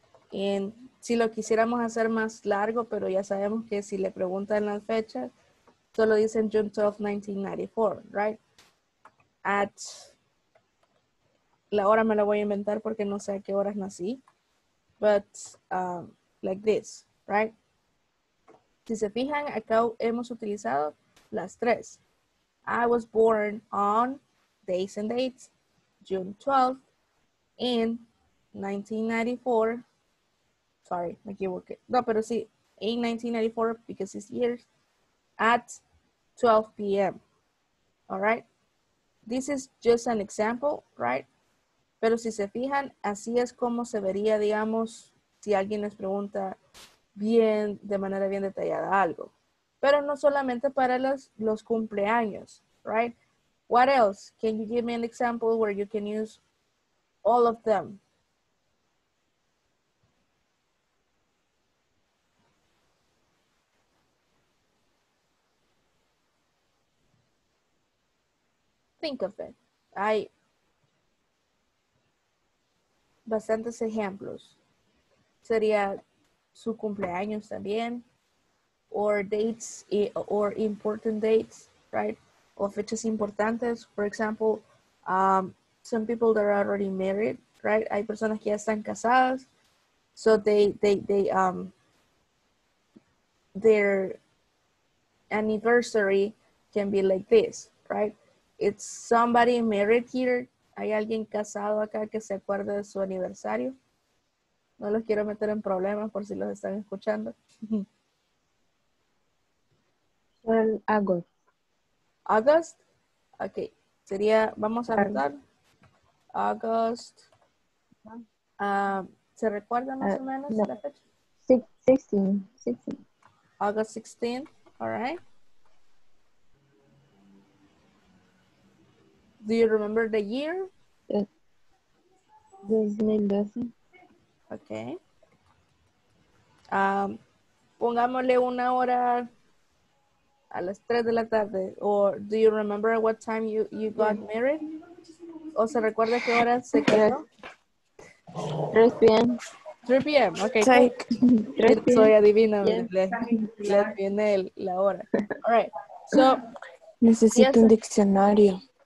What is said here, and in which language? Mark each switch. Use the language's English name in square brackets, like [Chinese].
[Spanish] Y si lo quisiéramos hacer más largo, pero ya sabemos que si le preguntan la fecha, solo dicen June 12th, 1994, right? At... La hora me la voy a inventar porque no sé a qué horas nací. [English] But, like this, right? [Spanish] Si se fijan, acá hemos utilizado las tres. [English] I was born on days and dates, June 12th, in 1994. Sorry, [Spanish] me equivoqué. No, pero sí, [English] in 1994, because it's years, at 12 p.m. All right? This is just an example, right? [Spanish] Pero si se fijan, así es como se vería, digamos, si alguien les pregunta bien, de manera bien detallada algo. Pero no solamente para los cumpleaños, right? [English] What else? Can you give me an example where you can use all of them? Think of it. [Spanish] Bastantes ejemplos. Sería su cumpleaños también, [English] or dates, or important dates, right? [Spanish] O fechas importantes. [English] For example, some people that are already married, right? [Spanish] Hay personas que ya están casadas. [English] So their anniversary can be like this, right? It's somebody married here. [Spanish] ¿Hay alguien casado acá que se acuerde de su aniversario? No los quiero meter en problemas por si los están escuchando. En August. August? Ok. Sería, vamos a anotar. August. ¿Se recuerda más o menos la fecha? 16. [English] August 16th. All right. Do you remember the year? 2012. Ok. [Spanish] Pongámosle una hora a las 3 de la tarde. [English] Or, do you remember what time you got married? [Spanish] ¿O se recuerda qué hora se quedó? [English] 3 p.m. [Spanish] 3 p.m. Ok. Soy adivina. Le viene la hora. All right. So, necesito un diccionario.